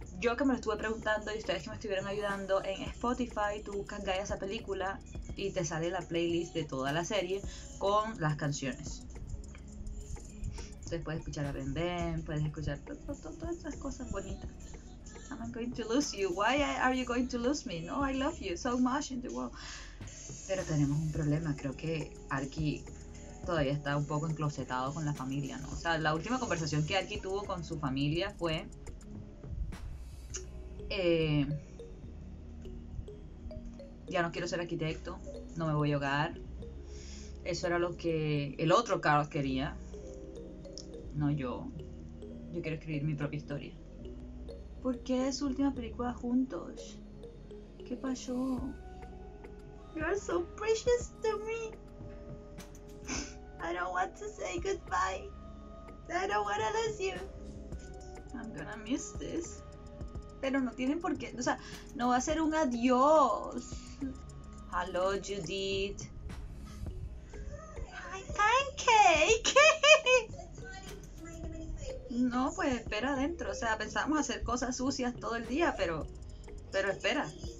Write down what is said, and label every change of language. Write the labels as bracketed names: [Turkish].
[Spanish] yo que me lo estuve preguntando y ustedes que me estuvieron ayudando, en Spotify tú buscas Gaia esa película y te sale la playlist de toda la serie con las canciones. Entonces puedes escuchar a Ben Ben, puedes escuchar todas esas cosas bonitas. [English] I'm going to lose you. Why are you going to lose me? No, I love you so much in the world. [Spanish] Pero tenemos un problema, creo que Arki todavía está un poco enclosetado con la familia, ¿no? O sea, la última conversación que Arki tuvo con su familia fue... ya no quiero ser arquitecto, no me voy a hogar. Eso era lo que el otro Carl quería. No, yo quiero escribir mi propia historia. ¿Por qué es su última película juntos? ¿Qué pasó? [English] You are so precious to me. I don't want to say goodbye. I don't want to lose you. I'm gonna miss this. [Spanish] Pero no tienen por qué, o sea, no va a ser un adiós. [English] Hello, Judith. Hi, pancake. [Spanish] No, pues espera adentro, o sea, pensamos hacer cosas sucias todo el día, pero espera.